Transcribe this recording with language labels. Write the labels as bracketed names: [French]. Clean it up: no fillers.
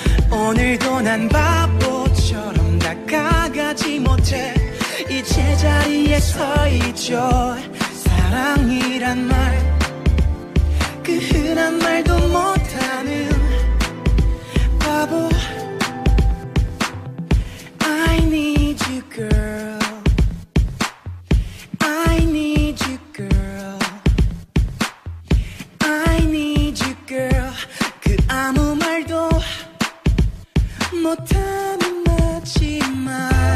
[Korean] 오늘도 난 바보처럼 다가가지 못해 이 제자리에 서 있죠. 사랑이란 말 그 흔한 말도 못하는 바보. [English] I need you girl, I need you girl, I need you girl. [Korean] 그 아무 말도 못하는 마지막.